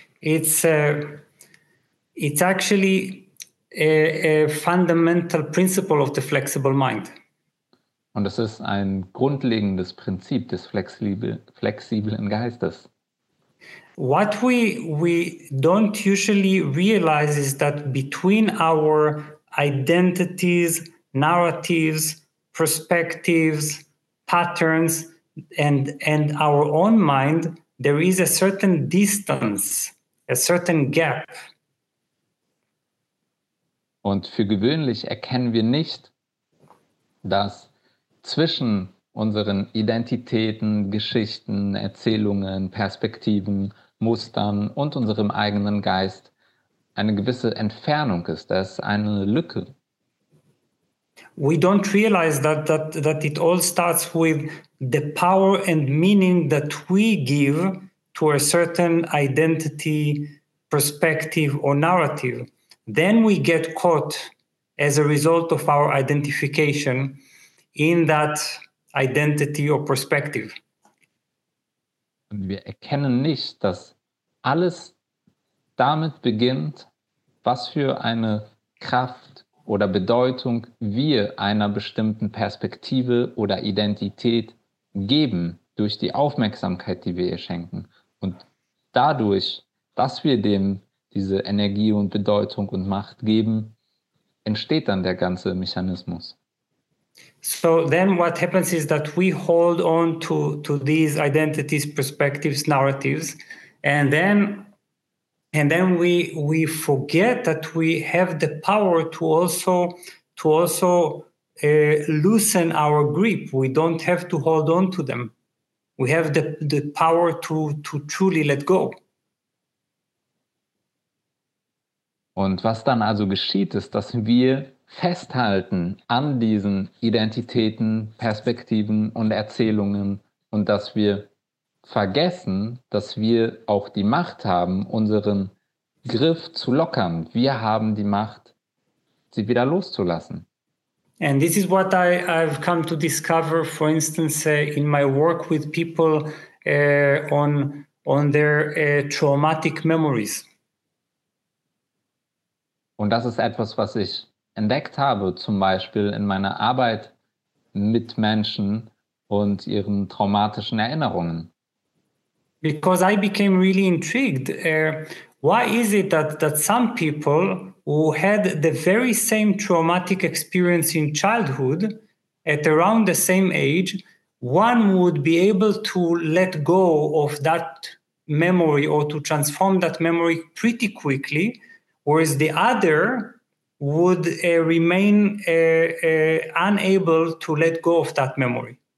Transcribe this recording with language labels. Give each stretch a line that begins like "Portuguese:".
English: It's actually a fundamental principle of the flexible mind.
German: Und es ist ein grundlegendes Prinzip des flexiblen Geistes.
English: What we don't usually realize is that between our identities, narratives, perspectives, patterns, and our own mind, there is a certain distance, a certain gap.
German: Und für gewöhnlich erkennen wir nicht, dass zwischen unseren Identitäten, Geschichten, Erzählungen, Perspektiven, Mustern und unserem eigenen Geist eine gewisse Entfernung ist. Das ist eine Lücke.
English: We don't realize that it all starts with the power and meaning that we give to a certain identity, perspective or narrative. Then we get caught as a result of our identification in that identity or perspective.
German: Und wir erkennen nicht, dass alles damit beginnt, was für eine Kraft oder Bedeutung wir einer bestimmten Perspektive oder Identität geben, durch die Aufmerksamkeit, die wir ihr schenken. Und dadurch, dass wir dem diese Energie und Bedeutung und Macht geben, entsteht dann der ganze Mechanismus.
English: So then what happens is that we hold on to these identities, perspectives, narratives, and then we forget that we have the power to also loosen our grip. We don't have to hold on to them. we have the power to truly let go.
German: Und was dann also geschieht, ist, dass wir festhalten an diesen Identitäten, Perspektiven und Erzählungen und dass wir vergessen, dass wir auch die Macht haben, unseren Griff zu lockern. Wir haben die Macht, sie wieder loszulassen.
English: And this is what I've come to discover, for instance, in my work with people on their traumatic memories.
German: Und das ist etwas, was ich entdeckt habe, zum Beispiel in meiner Arbeit mit Menschen und ihren traumatischen Erinnerungen.
English: Because I became really intrigued. Why is it that some people who had the very same traumatic experience in childhood at around the same age, one would be able to let go of that memory or to transform that memory pretty quickly, whereas the other would remain unable to let go of that memory.